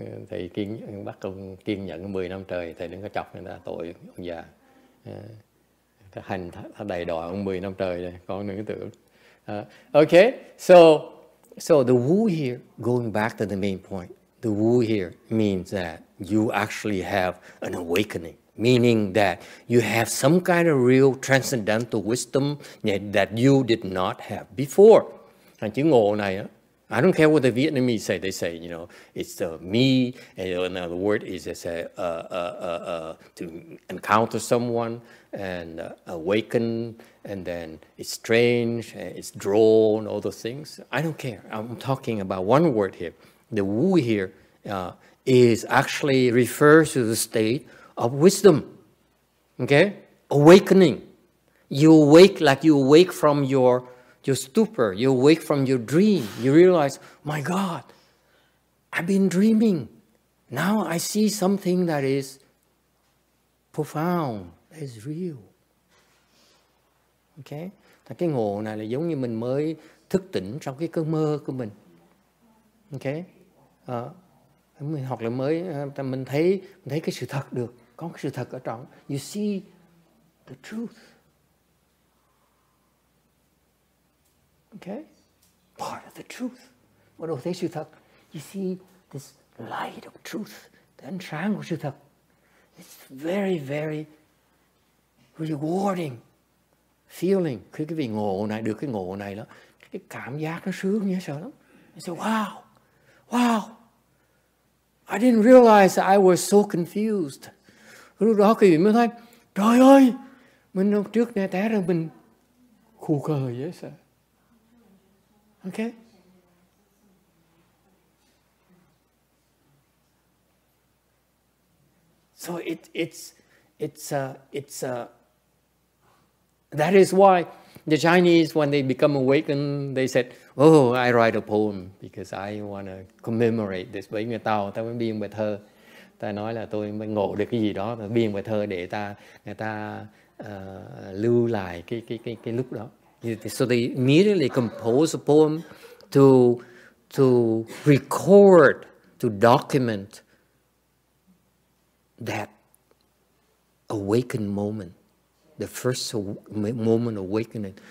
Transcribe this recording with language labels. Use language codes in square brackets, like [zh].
[vi] Thầy kiên bắt ông kiên nhẫn 10 năm trời, thầy đừng có chọc người ta tội ông già. Hành đầy đọa ông 10 năm trời rồi, con đừng có tưởng. [en] Okay, so the wu here, going back to the main point. The wu here means that you actually have an awakening, meaning that you have some kind of real transcendental wisdom that you did not have before. And [vi] chữ ngộ này, [en] I don't care what the Vietnamese say. They say, you know, it's the me. And another word is to encounter someone and awaken. And then it's strange, it's drawn, all those things. I don't care. I'm talking about one word here. The wu here is actually refers to the state of wisdom, okay? Awakening. You awake like you awake from your stupor. You awake from your dream. You realize, my God, I've been dreaming. Now I see something that is profound, that is real. Okay? [vi] Thì cái ngộ này là giống như mình mới thức tỉnh trong cái cơn mơ của mình. [en] Okay? [vi] Hoặc là mới mình thấy cái sự thật được, có cái sự thật ở trong. [en] You see the truth. Okay? Part of the truth. [vi] Bắt đầu thấy sự thật. [en] You see this light of truth, the [vi] ánh sáng của sự thật. [en] It's very, very rewarding feeling. [vi] Khi cái vị ngộ này, được cái ngộ này đó, cái cảm giác nó sướng nhớ sợ lắm. [en] You say, wow, I didn't realize that I was so confused. [vi] Lúc đó quý vị mới thấy, trời ơi, mình hôm trước nè té ra mình khù khờ dễ sợ. [en] Okay? So it's that is why The Chinese, when they become awakened, they said, oh, I write a poem because I want to commemorate this. [vi] Bởi người Tàu, ta mới biên bài thơ. Ta nói là tôi mới ngộ được cái gì đó, ta biên bài thơ để ta, người ta lưu lại cái lúc đó. [en] So they immediately compose a poem to record, to document that awakened moment, the first moment awakening.